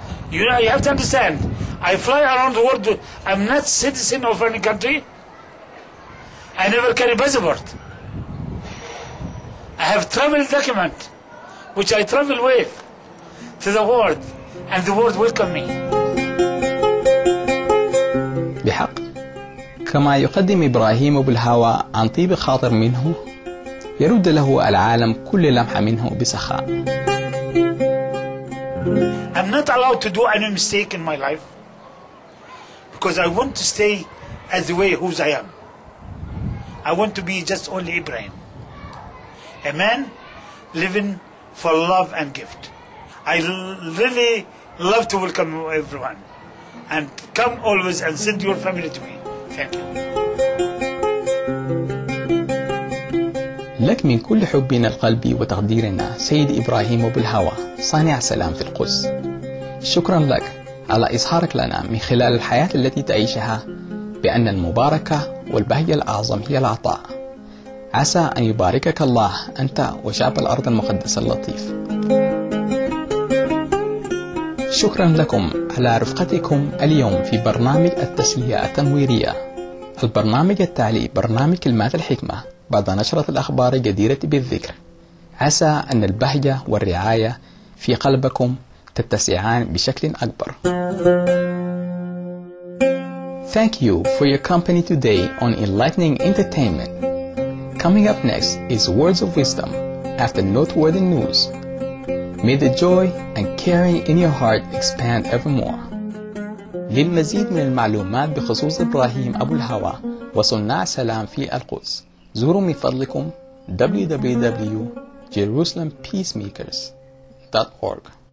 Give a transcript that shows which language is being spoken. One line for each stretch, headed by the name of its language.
English: You know, you have to understand, I fly around the world. I'm not citizen of any country. I never carry passport. I have travel document, which I travel with to the world. And the world welcome me.
Arabic: بحق كما يقدم إبراهيم أبو الهوى عن طيب خاطر منه، يرد له العالم كل لمحة منه بسخاء.
English: I'm not allowed to do any mistake in my life because I want to stay as the way whose I am. I want to be just only Ibrahim, a man living for love and gift. I really love to welcome everyone and come always and send your family to me. Thank you.
Arabic: لك من كل حبنا القلبي وتقديرنا سيد إبراهيم أبو الهوى صانع سلام في القدس. شكرا لك على إظهارك لنا من خلال الحياة التي تعيشها بأن المباركة والبهجة الأعظم هي العطاء. عسى أن يباركك الله أنت وشعب الأرض المقدسة اللطيف. شكرا لكم على رفقتكم اليوم في برنامج التسلية التنويرية، البرنامج التالي برنامج كلمات الحكمة بعد نشرة الأخبار الجديرة بالذكر. عسى أن البهجة والرعاية في قلبكم تتسعان بشكل أكبر.
English: Thank you for your company today on Enlightening Entertainment. Coming up next is Words of Wisdom after Noteworthy News. May the joy and caring in your heart expand evermore.
Arabic: للمزيد من المعلومات بخصوص إبراهيم أبو الهوى وصناع سلام في القدس زوروا من فضلكم www.JerusalemPeacemakers.org.